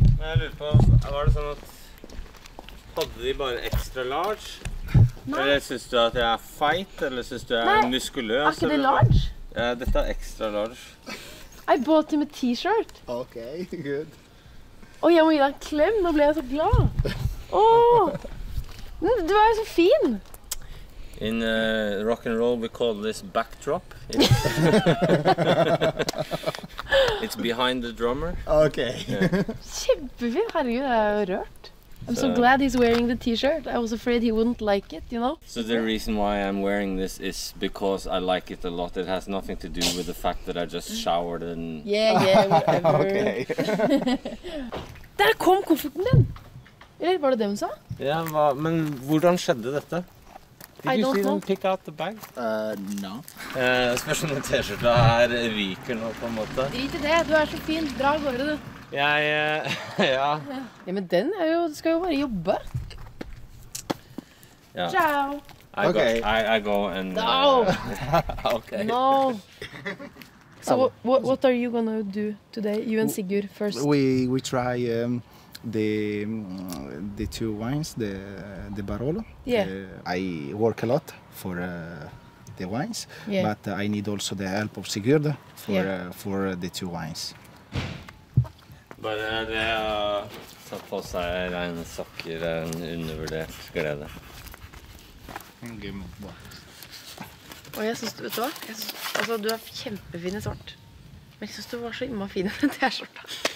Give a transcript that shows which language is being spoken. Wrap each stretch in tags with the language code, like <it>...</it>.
<no>Men jeg lurer på, var det sånn at hadde de bare ekstra large? Nei. Eller synes du at jeg feit, eller synes du jeg muskuløs? Nei, ikke det large? Ja, dette ekstra large.</no> <en>I bought him a t-shirt. Ok, good.</en> <no>Åh, jeg må gi deg en klem, nå ble jeg så glad. Du er jo så fin.</no> <en>In rock and roll, we call this backdrop. It's behind the drummer. Ok.</en> <no>Kjempefint, herregud, jeg er jo rørt.</no> <en>I'm so glad he's wearing the t-shirt. I was afraid he wouldn't like it, you know? So the reason why I'm wearing this is because I like it a lot. It has nothing to do with the fact that I just showered and... Yeah, yeah, whatever. Okay.</en> <no>Der kom kofferten din! Eller var det det hun sa? Ja, men hvordan skjedde dette?</no> <en>Did you see them pick out the bag? No.</en> <no>Spørsmålet t-shirtet her ryker nå, på en måte. Drit i det, du er så fin. Dra og går det, du. Jeg, ja. Ja, men den er jo, skal jo bare jobbe. Ja.</no> <it>Ciao!</it> <en>I go and... No! Okay. No! So, what are you gonna do today, you and Sigurd, first? We try the two wines, the Barolo. Yeah. I work a lot for the wines, yeah. But I need also the help of Sigurd for the two wines.</en> <no>Bare det å ta på seg rene sokker er en undervurdert glede. Og jeg synes, vet du hva? Altså, du er kjempefin i svart. Men jeg synes du var så imma fin i den t-skjorta.</no>